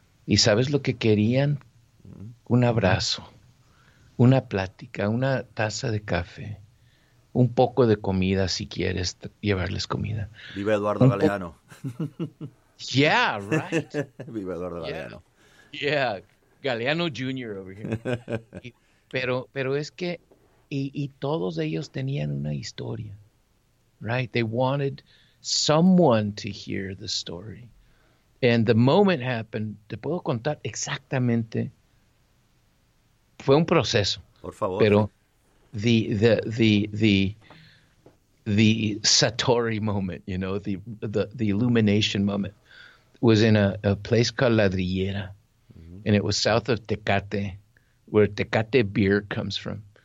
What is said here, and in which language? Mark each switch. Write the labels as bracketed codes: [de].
[es] ¿Y sabes lo que querían? Un abrazo, una plática, una taza de café, un poco de comida si quieres llevarles comida. ¡Viva Eduardo Galeano! [en] Yeah, right. [es] ¡Viva Eduardo Galeano! [en] Yeah, yeah. Galeano Jr. over here. [es] Pero es que, y todos ellos tenían una historia, right? [en] They wanted someone to hear the story. And the moment happened, [es] te puedo contar exactamente, fue un proceso. Por favor. [en] Pero the Satori moment, you know, the illumination moment was in a place called Ladrillera. Mm-hmm. And it was south of Tecate, where Tecate beer comes from.